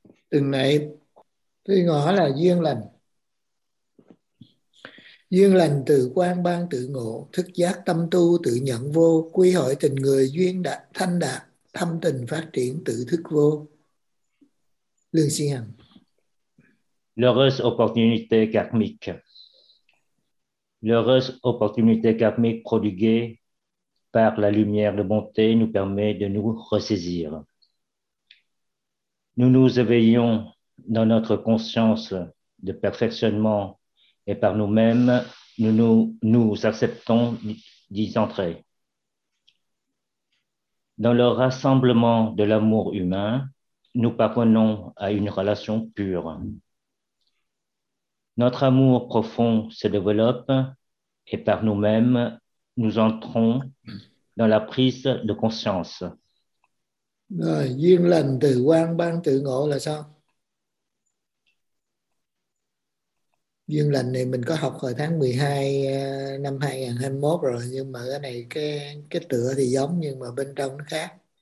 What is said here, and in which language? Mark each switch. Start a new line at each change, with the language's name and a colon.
Vietnamese: Tuần này tôi ngỏ là duyên lành. Duyên lành từ quang ban tự ngộ, thức giác tâm tu tự nhận vô, quy hội tình người duyên đạt, thanh đạt, thâm tình phát triển tự thức vô. Lương Sĩ Hằng.
French: L'heureuse opportunité karmique. L'heureuse opportunité karmique prodiguée par la lumière de bonté nous permet de nous ressaisir. Nous nous éveillons dans notre conscience de perfectionnement et par nous-mêmes, nous acceptons d'y entrer. Dans le rassemblement de l'amour humain, nous parvenons à une relation pure. Notre amour profond se développe et par nous-mêmes, nous entrons dans la prise de conscience.
Vietnamese: Rồi, duyên lành từ quang ban tự ngộ là sao? Duyên lành này mình có học hồi tháng 12 năm 2021 rồi, nhưng mà cái này cái tựa thì giống nhưng mà bên trong nó khác.